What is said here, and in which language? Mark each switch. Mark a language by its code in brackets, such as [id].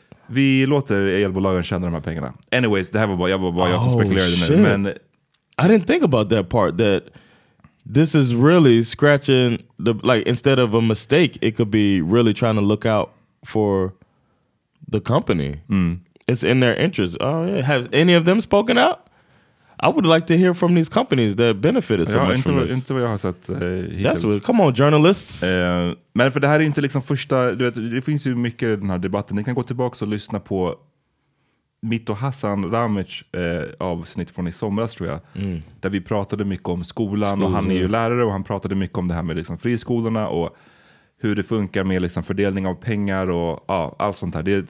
[sv] Vi låter elbolagen tjäna de här pengarna. Anyways, det här var bara jag som spekulerade nu, men [en] I didn't think about that part that this is really scratching the like instead of a mistake it could be really trying to look out for the company. Mm. It's in their interest. Oh yeah, has any of them spoken out? I would like to hear from these companies that benefited so much [sv] inte, [en] from this. [sv] Inte vad jag har sett. [en] That's what, come on, journalists. [sv] Men för det här är inte liksom första, du vet, det finns ju mycket i den här debatten. Ni kan gå tillbaka och lyssna på mitt och Hassan Ramic avsnitt från i somras, tror jag. Mm. Där vi pratade mycket om skolan och han är ju lärare och han pratade mycket om det här med liksom friskolorna och hur det funkar med liksom fördelning av pengar och ja, allt sånt här.